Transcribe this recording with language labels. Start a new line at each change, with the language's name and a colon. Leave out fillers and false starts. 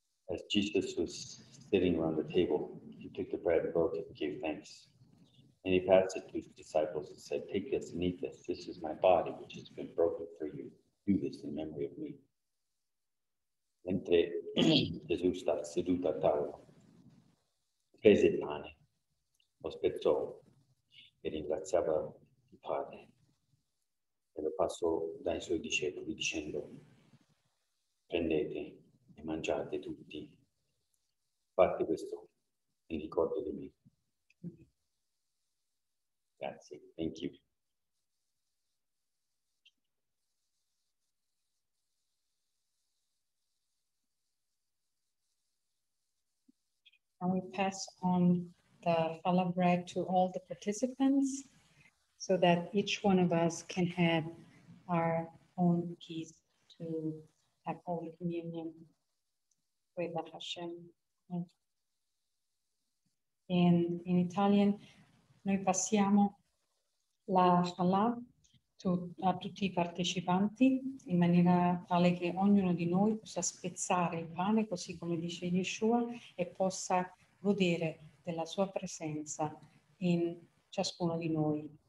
English: As Jesus was sitting around the table, he took the bread and broke it and gave thanks. And he passed it to his disciples and said, "Take this and eat this. This is my body, which has been broken for you. Do this in memory of me."
Italian: Mentre Gesù stava seduto a tavola, prese il pane, lo spezzò e ringraziava il Padre. E lo passò dai suoi discepoli dicendo, "Prendete e mangiate tutti. Fate questo in ricordo di me." Grazie.
English: Thank you. And we pass on the challah bread to all the participants so that each one of us can have our own piece to have Holy Communion with the Hashem. In Italian,
Italian: noi passiamo la challah a tutti i partecipanti in maniera tale che ognuno di noi possa spezzare il pane, così come dice Yeshua, e possa godere della sua presenza in ciascuno di noi.